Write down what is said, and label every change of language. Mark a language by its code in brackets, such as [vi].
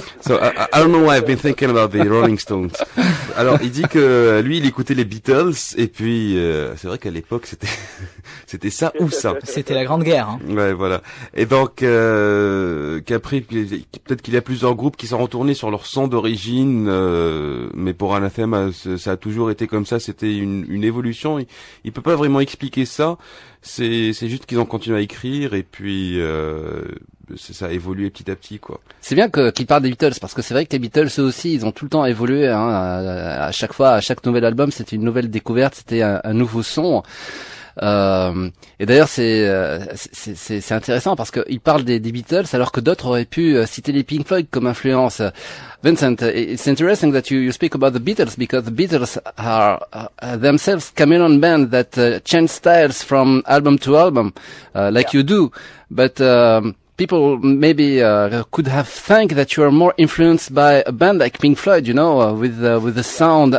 [en] So, I don't know why I've been thinking about the Rolling Stones. [fr] Alors, il dit que lui, il écoutait les Beatles, et puis, c'est vrai qu'à l'époque c'était ça ou ça. C'était la Grande Guerre. Hein. Ouais, voilà. Et donc qu'après peut-être qu'il y a plusieurs groupes qui sont retournés sur leur son d'origine, mais pour Anathema ça a toujours été comme ça. C'était une évolution. Il peut pas vraiment expliquer ça. C'est juste qu'ils ont continué à écrire et puis ça a évolué petit à petit, quoi. C'est bien qu'ils parlent des Beatles, parce que c'est vrai que les Beatles eux aussi, ils ont tout le temps évolué, hein, à chaque fois, à chaque nouvel album, c'était une nouvelle découverte, c'était un nouveau son. Et d'ailleurs, c'est intéressant parce qu'il parle des Beatles alors que d'autres auraient pu citer les Pink Floyd comme influence. [en] Vincent, it's interesting that you speak about the Beatles because the Beatles are themselves chameleon band that change styles from album to album, like you do. But people maybe could have think that you are more influenced by a band like Pink Floyd, you know, with the sound.